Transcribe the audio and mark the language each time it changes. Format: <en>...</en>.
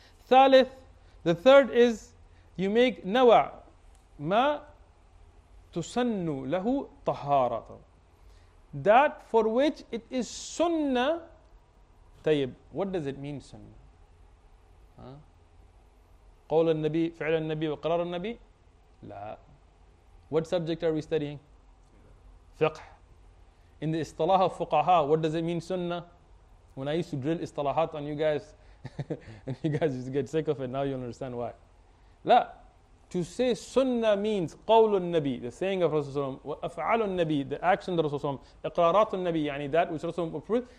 <en>Thalith, the third is you make nawa ma.</en> <ar>تُسَنُّ لَهُ طَهَارَةً</ar> <en>That for which it is sunnah.</en> <ar>طيب,</ar> <en>what does it mean sunnah?</en> <ar>قول النبي, فعل النبي وقرار النبي? لا.</ar> <en>What subject are we studying?</en> <ar>فقه.</ar> <en>In the istalaha of fuqaha, what does it mean sunnah? When I used to drill istalahat on you guys, and you guys just get sick of it, now you understand why.</en> <ar>لا.</ar> <en>To say sunnah means</en> <ar>qawlu an-nabi,</ar> <en>the saying of Rasulullah, wa af'alu an-nabi, the action of Rasulullah, iqraratu an-nabi, yani that which Rasulullah approved.</en>